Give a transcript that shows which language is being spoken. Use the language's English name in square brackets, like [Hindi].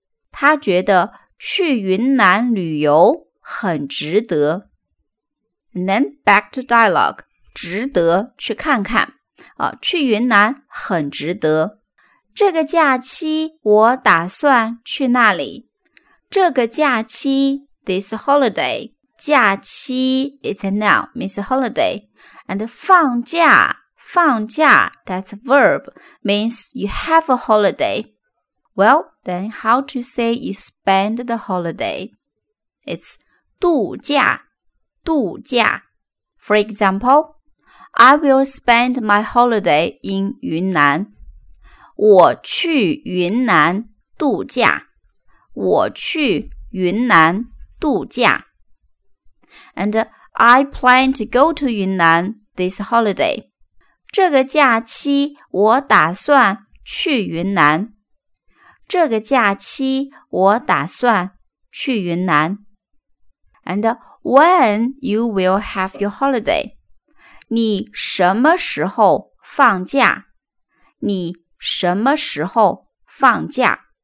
[Chinese] 他觉得去云南旅游很值得。 [English] And then back to dialogue, [Chinese] 值得去看看。去云南很值得。这个假期我打算去那里。这个假期 [English] this holiday, 假期 it's a noun, means a holiday. And 放假放假 that's a verb, means you have a holiday. Well, then how to say you spend the holiday? It's 度假度假 For example, I will spend my holiday in 云南。 [Chinese] 我去云南度假。我去云南度假。 [English] And I plan to go to 云南 this holiday. [Chinese] 这个假期我打算去云南。这个假期我打算去云南。 [English] And when you will have your holiday? [Chinese] 你什么时候放假？你什么时候放假？